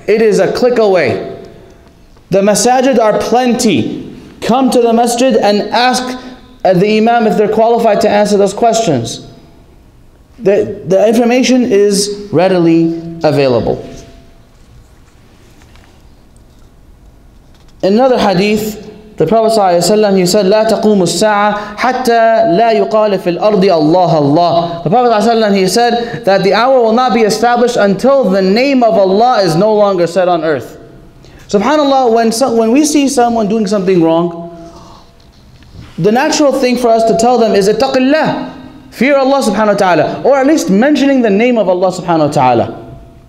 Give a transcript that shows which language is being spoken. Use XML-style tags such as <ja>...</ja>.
<en>It is a click away. The masajid are plenty. Come to the masjid and ask the imam if they're qualified to answer those questions. The information is readily available. In another hadith, the Prophet ﷺ, he said,</en> <ar>لا تقوم الساعة حتى لا يقال في الأرض الله الله.</ar> <en>The Prophet ﷺ, he said that the hour will not be established until the name of Allah is no longer said on earth. SubhanAllah, when we see someone doing something wrong, the natural thing for us to tell them is,</en> <ar>اتق الله,</ar> <en>fear Allah subhanahu wa ta'ala, or at least mentioning the name of Allah subhanahu wa ta'ala.</en>